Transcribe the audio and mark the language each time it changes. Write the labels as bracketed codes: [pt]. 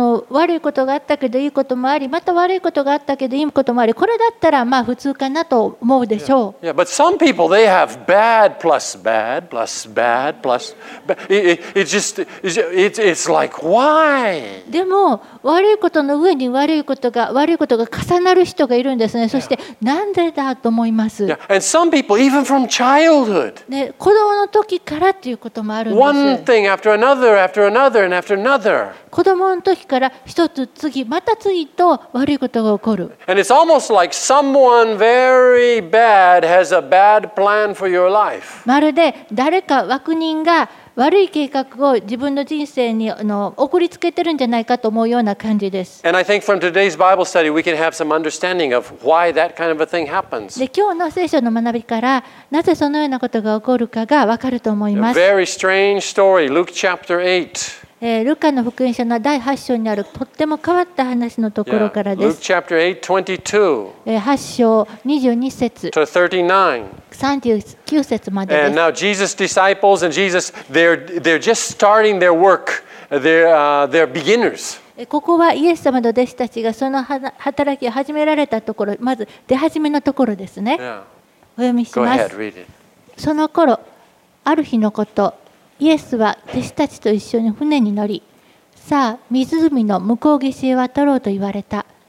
[ja] 悪いことがあったけどいいこともあり、また悪いことがあったけどいいこともあり、これだったらまあ普通かなと思うでしょう。 [en] Yeah, but some people they have bad plus bad plus bad plus bad. It's like why? [ja] でも悪いことの上に悪いことが重なる人がいるんですね。そしてなんでだと思います。 [en] And some people even from childhood. [ja] ね、子供の時からっていうこともあるんです。 [en] One thing after another, after another, and after another. [ja] 子供の時から一つ次また次と悪いことが起こる。 [en] And it's almost like someone very bad has a bad plan for your life. [ja] まるで誰か悪人が悪い計画を自分の人生に送りつけてるんじゃないかと思うような感じです。 [en] And I think from today's Bible study we can have some understanding of why that kind of a thing happens. [ja] で、今日の聖書の学びからなぜそのようなことが起こるかがわかると思います。 [en] Very strange story, Luke chapter 8. [ja] ルカの福音書の第8章にあるとっても変わった話のところからです。 [en] Luke chapter 8:22. [ja] 8章22節。 [en] To 39. [ja] 39節までです。 [en] And now Jesus' disciples and Jesus, they're just starting their work. They're beginners. [ja] ここはイエス様の弟子たちがその働きを始められたところ、まず出始めのところですね。 [en] Yeah. [ja] お読みします。 [en] Go ahead, read it. [ja] その頃、ある日のこと、イエスは弟子たちと一緒に船に乗り、さあ湖の向こう岸へ渡ろうと言われた。